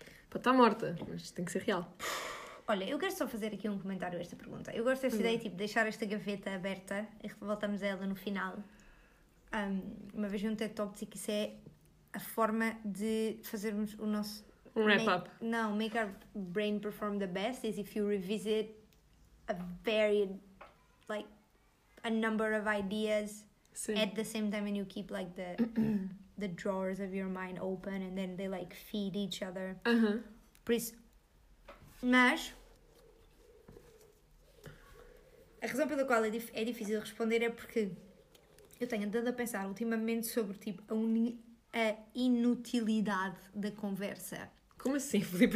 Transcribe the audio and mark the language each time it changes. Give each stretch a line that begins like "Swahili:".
Portuguese: Pode estar morta, mas tem que ser real. Olha, eu quero só fazer aqui um comentário a esta pergunta. Eu gosto dessa ideia, tipo, deixar esta gaveta aberta e voltamos a ela no final. Uma vez vi um TED Talk que isso é a forma de fazermos o nosso... Um wrap-up.
English: Não, make our brain perform the best is if you revisit a varied, like, a number of ideas. Sim. At the same time and you keep, like, the... the drawers of your mind open and then they like feed each other. Uh-huh.
Portuguese: Por isso, mas a razão pela qual é difícil responder é porque eu tenho andado a pensar ultimamente sobre tipo a inutilidade da conversa. Como assim, Filipe?